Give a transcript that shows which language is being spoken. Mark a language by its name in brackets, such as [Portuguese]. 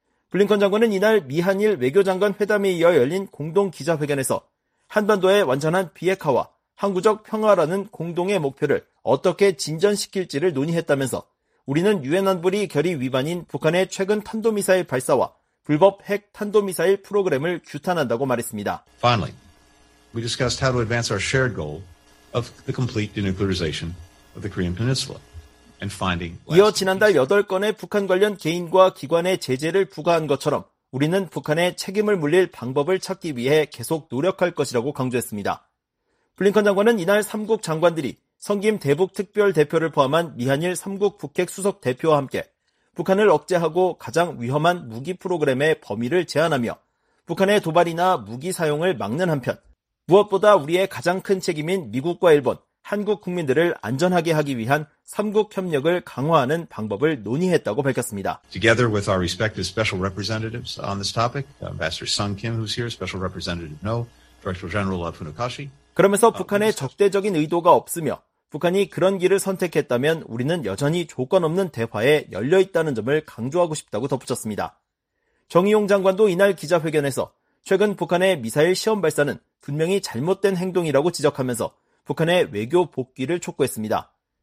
[Korean] 블링컨 장관은 이날 미한일 외교장관 회담에 이어 열린 공동 기자회견에서 한반도의 완전한 비핵화와 항구적 평화라는 공동의 목표를 어떻게 진전시킬지를 논의했다면서 우리는 유엔 안보리 결의 위반인 북한의 최근 탄도미사일 발사와 불법 핵 탄도미사일 프로그램을 규탄한다고 말했습니다. [English] Finally, we discussed how to advance our shared goal of the complete denuclearization of the Korean Peninsula and finding. [Korean] 이어 지난달 8건의 북한 관련 개인과 기관의 제재를 부과한 것처럼 우리는 북한에 책임을 물릴 방법을 찾기 위해 계속 노력할 것이라고 강조했습니다. 블링컨 장관은 이날 3국 장관들이 성김 대북 특별 대표를 포함한 미한일 3국 북핵 수석 대표와 함께 북한을 억제하고 가장 위험한 무기 프로그램의 범위를 제한하며 북한의 도발이나 무기 사용을 막는 한편 무엇보다 우리의 가장 큰 책임인 미국과 일본, 한국 국민들을 안전하게 하기 위한 3국 협력을 강화하는 방법을 논의했다고 밝혔습니다. [English] Together with our respective special representatives on this topic, Ambassador Sung Kim who's here, Special Representative No, Director General of Funakashi. [Korean] 그러면서 북한의 적대적인 의도가 없으며 북한이 그런 길을 선택했다면 우리는 여전히 조건 없는 대화에 열려있다는 점을 강조하고 싶다고 덧붙였습니다. 정의용 장관도 이날 기자회견에서 최근 북한의 미사일 시험 발사는 분명히 잘못된 행동이라고 지적하면서 북한의 외교 복귀를 촉구했습니다.